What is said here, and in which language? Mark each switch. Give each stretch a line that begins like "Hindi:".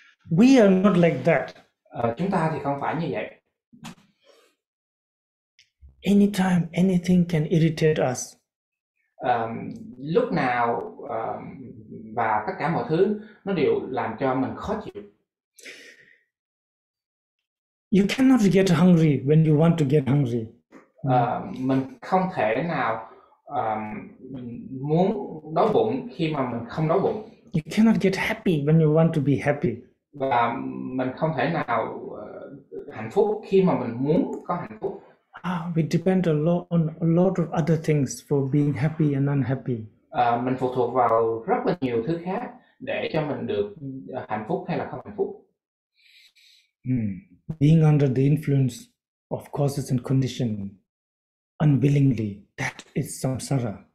English: We are not like that.
Vietnamese: Chúng ta thì không phải như vậy.
English: Anytime anything can irritate us.
Vietnamese: Lúc nào và tất cả mọi thứ nó đều làm cho mình khó chịu.
English: You cannot get hungry when you want to get hungry.
Vietnamese: Mình không thể nào muốn đói bụng khi mà mình không đói bụng.
English: You cannot get happy when you want to be happy.
Vietnamese: Và mình không thể nào hạnh phúc khi mà mình muốn có hạnh phúc.
English: We depend a lot on a lot of other things for being happy and unhappy.
Vietnamese: Mình phụ thuộc vào rất là nhiều thứ khác để cho mình được hạnh phúc hay là không hạnh phúc.
English: Being under the influence of causes and conditions unwillingly, that is samsara.